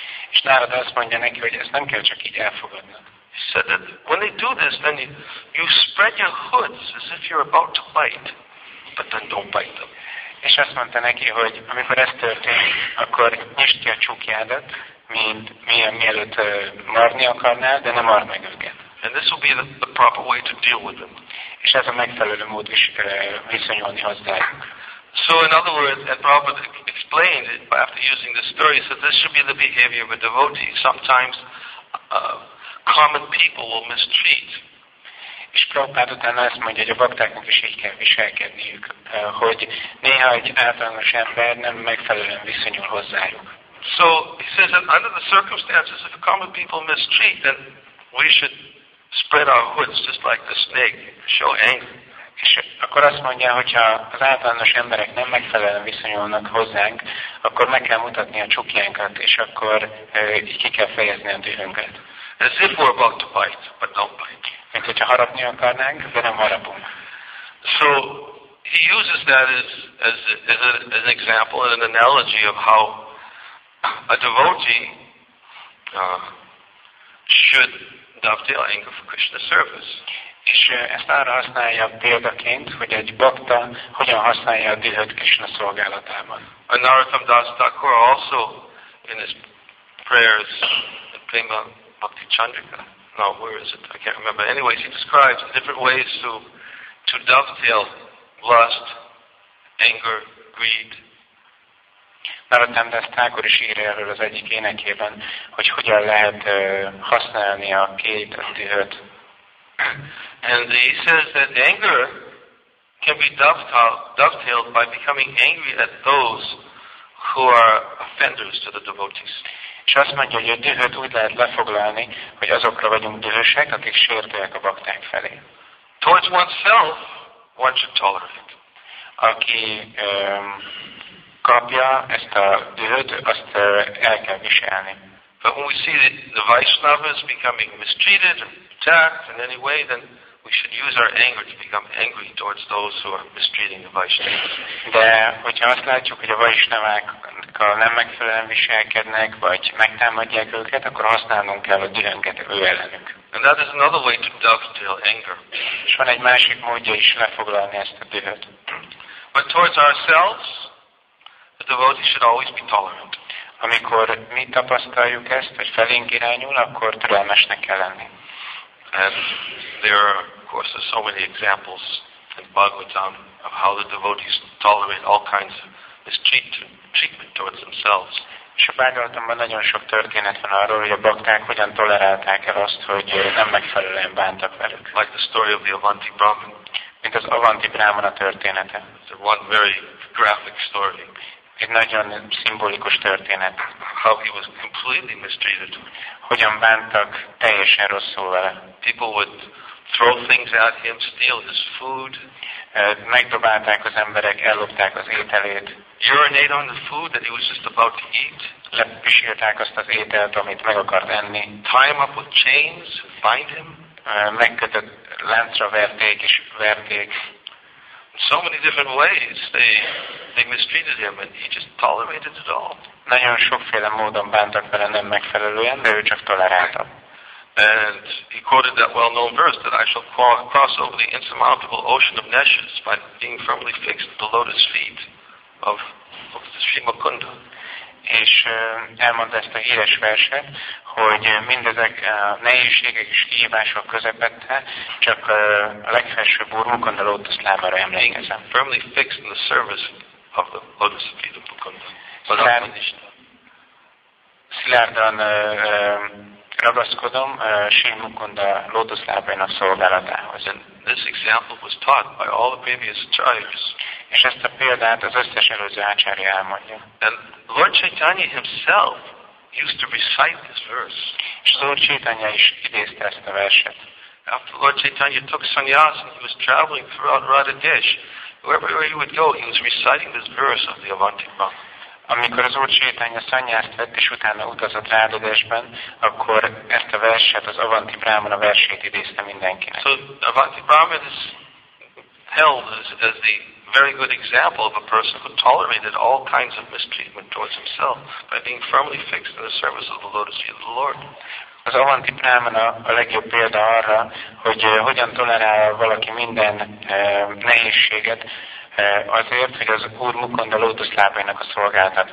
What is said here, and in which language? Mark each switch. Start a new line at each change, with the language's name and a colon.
Hungarian: És Narada azt mondja neki, hogy ezt nem kell csak így elfogadni.
English: He said that when they do this, then you spread your hoods as if you're about to bite, but then don't bite them.
Hungarian: És azt mondta neki, hogy amikor ez történik, akkor nyisd ki a csukjádat, mielőtt marni akarnál, de nem marr meg őket.
English: And this will be the proper way to deal with them.
Hungarian: És ez a megfelelő mód viszonyulni hozzájuk.
English: So in other words, and Prabhupada explained it after using the story, so this should be the behavior of a devotee. Sometimes common people will mistreat.
Hungarian: És Prabhupád utána azt mondja, hogy a baktáknak is így kell viselkedniük, hogy néha egy általános ember nem megfelelően viszonyul hozzájuk.
English: So he says that under the circumstances, if common people mistreat, then we should spread our hoods just like the snake, show anger.
Hungarian: És akkor azt mondja, hogyha az általános emberek nem megfelelően viszonyulnak hozzánk, akkor meg kell mutatni a csukjánkat, és akkor ki kell fejezni a dühünket.
English: As if we're about to bite, but don't bite.
Hungarian: Mint hogyha harapni akarnánk, de nem harapunk.
English: So he uses that as an example, an analogy of how a devotee should dovetail anger for Krishna service.
Hungarian: És ezt arra használja példaként, hogy egy bhakta hogyan használja a dühöt Krishna szolgálatában.
English: And Narottam Das Thakur also in his prayers in Prema Bhakti Chandrika. No, where is it? I can't remember. Anyways, he describes different ways to dovetail lust, anger, greed.
Hungarian: Narottam Das Thakur is ír erről az egyik énekében, hogy hogyan lehet használni a két dühöt.
English: And he says that anger can be dovetailed by becoming angry at those who are offenders to the devotees.
Hungarian: És azt mondja, hogy a dühöt úgy lehet lefoglalni, hogy azokra vagyunk dühösek, akik sértőek a bakták felé.
English: Towards oneself, one should tolerate.
Hungarian: Aki kapja ezt a dühöt, azt el kell viselni.
English: But when we see the Vaishnavas becoming mistreated, attacked in any way, then we should use our anger to become angry towards those who are mistreating the Vaishnavas.
Hungarian: De hogyha azt látjuk, hogy a Vaishnavákkal nem megfelelően viselkednek, vagy megtámadják őket, akkor használnunk kell a dühönket ő ellenük.
English: And that is another way to dovetail anger.
Hungarian: És van egy másik módja is lefoglalni ezt a dühöt.
English: But towards ourselves, the devotee should always be tolerant.
Hungarian: Amikor mi tapasztaljuk ezt, hogy felénk irányul, akkor türelmesnek kell lenni.
English: And there are, of course, there's so many examples in Bhagavatam of how the devotees tolerate all kinds of mistreatment towards themselves.
Hungarian: És a Bhagavatamban nagyon sok történet van arról, hogy a bakták hogyan tolerálták el azt, hogy nem megfelelően bántak velük.
English: Like the story of the Avanti Brahman.
Hungarian: Mint az Avanti Brahmana története.
English: It's one very graphic story.
Hungarian: Egy nagyon szimbolikus történet.
English: How he was completely mistreated.
Hungarian: Hogyan bántak teljesen rosszul vele.
English: People would throw things at him, steal his food.
Hungarian: Megdobálták az emberek, ellopták az ételét.
English: Urinate on the food that he was just about to eat.
Hungarian: lepisírták azt az ételt, amit meg akart enni.
English: Tie up with chains, bind him.
Hungarian: Megkötött láncra verték és verték.
English: So many different ways they mistreated him, and he just tolerated it all.
Hungarian: Nagyon sokféle módon bántak vele nem megfelelően, de ő csak tolerálta.
English: And he quoted that well-known verse that I shall cross over the insurmountable ocean of Neshes by being firmly fixed at the lotus feet of Srimakunda.
Hungarian: És elmondta ezt a híres verset, hogy mindezek a nehézségek és kihívások közepette, csak a legfelsőbb Úrmukunda lótusz lábára emlékezem.
English: Being firmly fixed in the service of the lotus feet of Mukunda.
Hungarian: Szilárdan ragaszkodom Srimakunda lótuszlábainak szolgálatához.
English: And this example was taught by all the previous acharyas.
Hungarian: És ezt a példát az összes előző acharya elmondja.
English: And Lord Chaitanya himself used to recite this verse.
Hungarian: És az Úr Chaitanya is idézte ezt a verset.
English: After Lord Chaitanya took sannyas and he was traveling throughout Radhadesh, wherever he would go, he was reciting this verse of the Avanti Pada.
Hungarian: Amikor az Úr Chaitanya szanyászt vett, és utána utazott Radhadeshben, akkor ezt a verset, az Avanti Brahmana versét idézte mindenkinek.
English: So Avanti Brahmana is held as the very good example of a person who tolerated all kinds of mistreatment towards himself by being firmly fixed in the service of the lotus feet of the Lord.
Hungarian: Az Avanti Brahmana a legjobb példa arra, hogy hogyan tolerál valaki minden nehézséget, azért, hogy az Úr Mukunda lótuszlábainak a szolgálatát